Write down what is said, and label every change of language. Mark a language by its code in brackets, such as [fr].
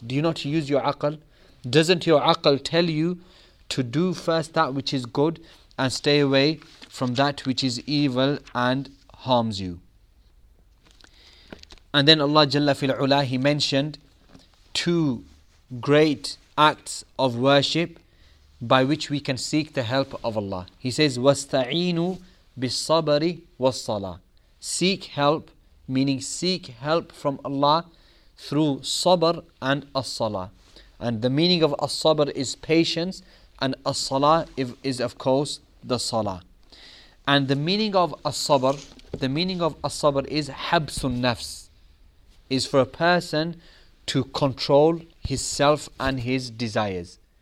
[en] Do you not use your aql? Doesn't your aql tell you to do first that which is good and stay away from that which is evil and harms you? And then Allah Jalla fil Ula, he mentioned two great acts of worship by which we can seek the help of Allah. He says, [ar] وَاسْتَعِينُ بِالصَّبَرِ وَالصَّلَاةِ. [en] Seek help, meaning seek help from Allah through sabr and as-salah. And the meaning of as-sabr is patience, and as-salah is of course the salah. And the meaning of as-sabr, the meaning of as-sabr is habsun nafs, is for a person to control his self and his desires.